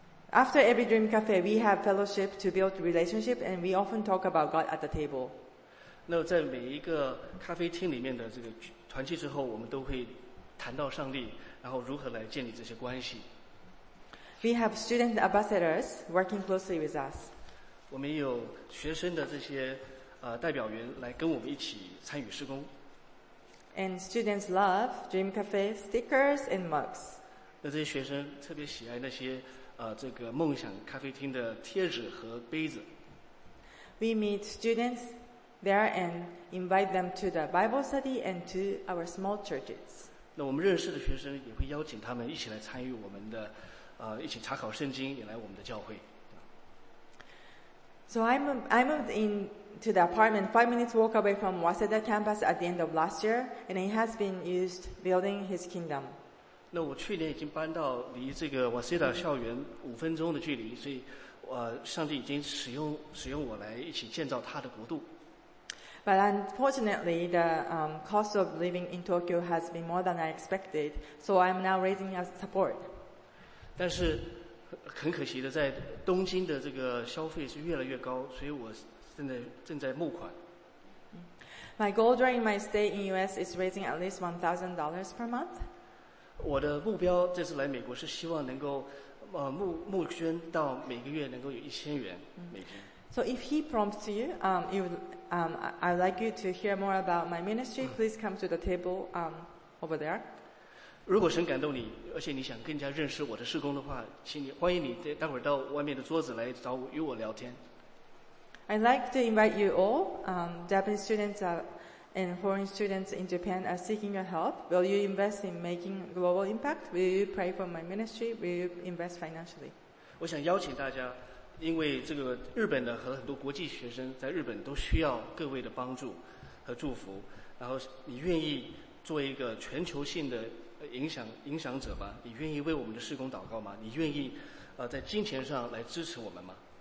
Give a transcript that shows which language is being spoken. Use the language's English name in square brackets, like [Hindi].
[English] After every Dream Cafe, we have fellowship to build relationship, and we often talk about God at the table. [Chinese] 那在每一个咖啡厅里面的这个团契之后，我们都会谈到上帝，然后如何来建立这些关系。 [English] We have student ambassadors working closely with us. [Chinese] 我们有学生的这些代表员来跟我们一起参与施工。 [English] And students love Dream Cafe stickers and mugs. [Chinese] 那这些学生特别喜爱那些这个梦想咖啡厅的贴纸和杯子。 [English] We meet students there and invite them to the Bible study and to our small churches. [Chinese] 那我们认识的学生也会邀请他们一起来参与我们的一起查考圣经，也来我们的教会。 [English] So I moved into the apartment 5 minutes walk away from Waseda campus at the end of last year, and it has been used building His kingdom. [Chinese] 那我去年已经搬到离这个 Waseda 校园5分钟的距离，所以上帝已经使用我来一起建造他的国度。 [English] But unfortunately, the cost of living in Tokyo has been more than I expected, so I'm now raising a support. [Chinese] 但是很可惜的，在东京的这个消费是越来越高，所以我正在募款。 [English] My goal during my stay in US is raising at least $1,000 per month. [Chinese] 我的目标这次来美国是希望能够募捐到每个月能够有1000元美金。 [English] So if he prompts you, I'd like you to hear more about my ministry. Please come to the table over there. [Chinese] 如果神感动你，而且你想更加认识我的事工的话，请你欢迎你待会儿到外面的桌子来找我与我聊天。 [English] I'd like to invite you all, Japanese students and foreign students in Japan are seeking your help. Will you invest in making global impact? Will you pray for my ministry? Will you invest financially? [Chinese] 我想邀请大家，因为这个日本的和很多国际学生在日本都需要各位的帮助和祝福，然后你愿意做一个全球性的影响者吗？你愿意为我们的事工祷告吗？你愿意在金钱上来支持我们吗？